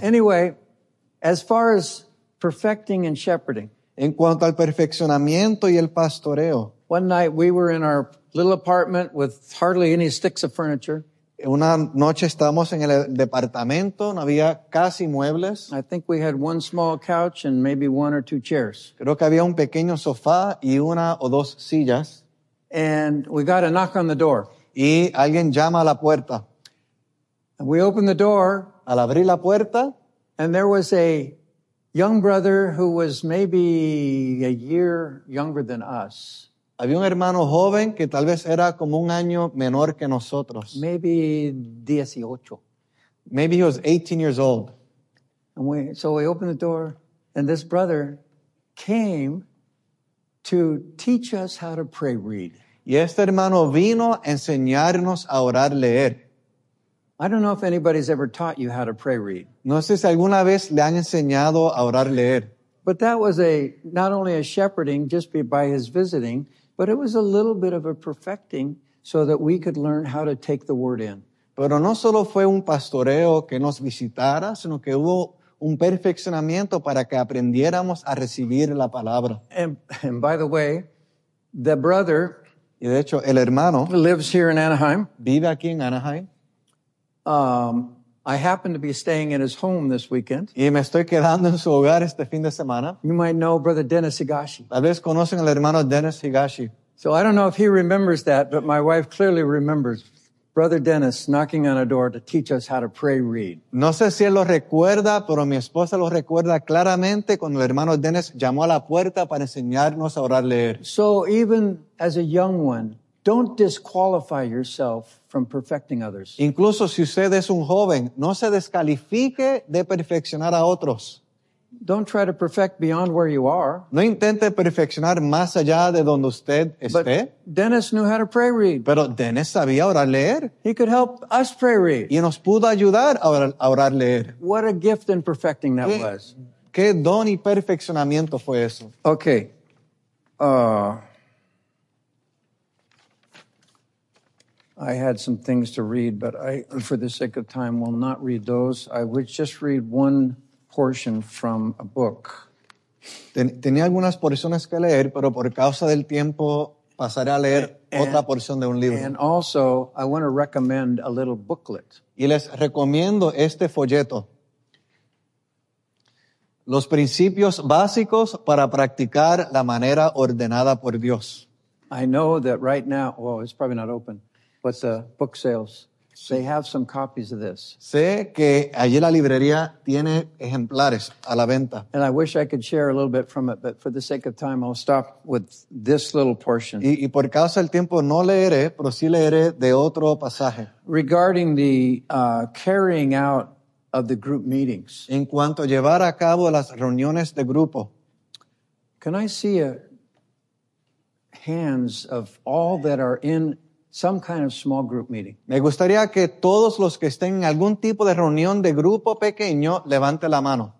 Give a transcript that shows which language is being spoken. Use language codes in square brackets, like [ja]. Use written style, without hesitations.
[en] Anyway, as far as perfecting and shepherding. [es] En cuanto al perfeccionamiento y el pastoreo. [en] One night we were in our little apartment with hardly any sticks of furniture. [es] Una noche estábamos en el departamento, no había casi muebles. [en] I think we had one small couch and maybe one or two chairs. [es] Creo que había un pequeño sofá y una o dos sillas. [en] And we got a knock on the door. [es] Y alguien llama a la puerta. [en] And we opened the door. [es] Al abrir la puerta. [en] And there was a young brother who was maybe a year younger than us. [es] Había un hermano joven que tal vez era como un año menor que nosotros. [en] Maybe 18. Maybe he was 18 years old. And we opened the door and this brother came to teach us how to pray read. [es] Y este hermano vino a enseñarnos a orar leer. [en] I don't know if anybody's ever taught you how to pray read. [es] No sé si alguna vez le han enseñado a orar leer. [en] But that was a not only a shepherding just by his visiting, but it was a little bit of a perfecting so that we could learn how to take the word in. [es] Pero no solo fue un pastoreo que nos visitara, sino que hubo un perfeccionamiento para que aprendiéramos a recibir la palabra. [en] And by the way, the brother, [es] y de hecho el hermano, [en] lives here in Anaheim. [es] Vive aquí en Anaheim. [en] I happen to be staying in his home this weekend. [es] Y me estoy quedando en su hogar este fin de semana. [en] You might know Brother Dennis Higashi. [es] Tal vez conocen al hermano Dennis Higashi. [en] So I don't know if he remembers that, but my wife clearly remembers Brother Dennis knocking on a door to teach us how to pray read. [es] No sé si él lo recuerda, pero mi esposa lo recuerda claramente cuando el hermano Dennis llamó a la puerta para enseñarnos a orar leer. [en] So even as a young one, don't disqualify yourself from perfecting others. [es] Incluso si usted es un joven, no se descalifique de perfeccionar a otros. [en] Don't try to perfect beyond where you are. [es] No intente perfeccionar más allá de donde usted esté. [en] But Dennis knew how to pray read. [es] Pero Dennis sabía orar leer. [en] He could help us pray read. [es] Y nos pudo ayudar a orar leer. [en] What a gift in perfecting that was. [es] Qué don y perfeccionamiento fue eso. [en] Okay. I had some things to read, but I, for the sake of time, will not read those. I would just read one portion from a book. [es] Tenía algunas porciones que leer, pero por causa del tiempo pasaré a leer otra porción de un libro. [en] And also, I want to recommend a little booklet. Y les recomiendo este folleto. [es] Los principios básicos para practicar la manera ordenada por Dios. [en] I know that right now, it's probably not open. But the book sales. They have some copies of this. [es] Sé que allí la librería tiene ejemplares a la venta. [en] And I wish I could share a little bit from it, but for the sake of time, I'll stop with this little portion. [es] Y por causa del tiempo no leeré, pero sí leeré de otro pasaje. [en] Regarding the carrying out of the group meetings. [es] En cuanto a llevar a cabo las reuniones de grupo. [en] Can I see a hands of all that are in some kind of small group meeting? [es] Me gustaría que todos los que estén en algún tipo de reunión de grupo pequeño levante la mano.